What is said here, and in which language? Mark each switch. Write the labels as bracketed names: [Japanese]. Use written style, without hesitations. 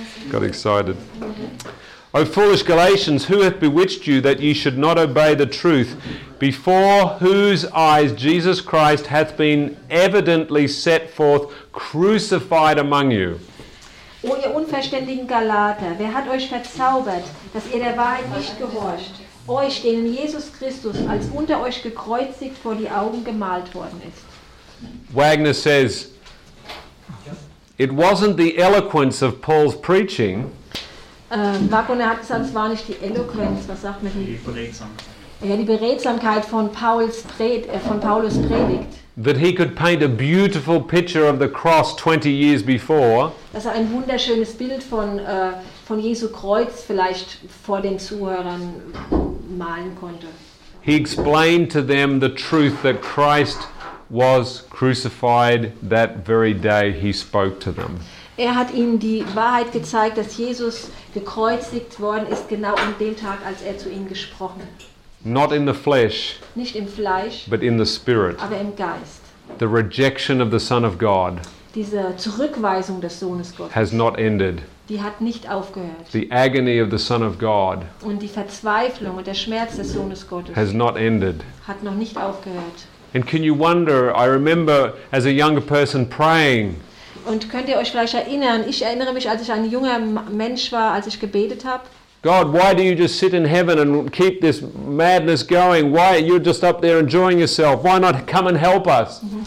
[English] got excited. Mm-hmm. Oh, foolish Galatians, who hath bewitched you that ye should not obey the truth, before whose eyes Jesus Christ hath been evidently set forth, crucified among you? [German] O ihr unverständigen Galater, wer hat euch verzaubert, dass ihr der Wahrheit nicht gehorcht, euch, denen Jesus Christus als unter euch gekreuzigt vor die Augen gemalt worden ist? [English] Wagner says, it wasn't the eloquence of Paul's preaching. [German] Wagner hat gesagt, es war nicht die Eloquenz, was sagt man? Die Beredsamkeit von Paulus Predigt. [English] That he could paint a beautiful picture of the cross 20 years before. [German] Dass er ein wunderschönes Bild von Jesu Kreuz vielleicht vor den Zuhörern malen konnte. [English] He explained to them the truth that Christ was crucified that very day he spoke to them. [German] Er hat ihnen die Wahrheit gezeigt, dass Jesus gekreuzigt worden ist genau an dem Tag, als er zu ihnen gesprochen hat. [English] Not in the flesh, [German] nicht im Fleisch, [English] but in the spirit. [German] Aber im Geist. [English] The rejection of the Son of God, [German] diese Zurückweisung des Sohnes Gottes, [English] has not ended. [German] Die hat nicht aufgehört. [English] The agony of the Son of God, [German] und die Verzweiflung und der Schmerz des Sohnes Gottes, [English] has not ended. [German] Hat noch nicht aufgehört. [English] And can you wonder? I remember as a younger person praying. [German] Und könnt ihr euch vielleicht erinnern? Ich erinnere mich, als ich ein junger Mensch war, als ich gebetet habe. [English] God, why do you just sit in heaven and keep this madness going? Why are you just up there enjoying yourself? Why not come and help us?